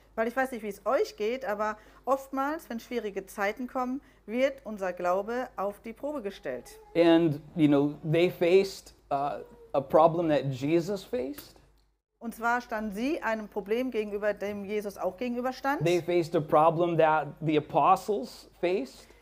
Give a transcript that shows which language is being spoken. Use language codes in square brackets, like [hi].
[de] Weil ich weiß nicht, wie es euch geht, aber oftmals, wenn schwierige Zeiten kommen, wird unser Glaube auf die Probe gestellt. [en] And you know, they faced a problem that Jesus faced. [de] Und zwar standen sie einem Problem gegenüber, dem Jesus auch gegenüberstand. [en] They faced a problem that the apostles faced.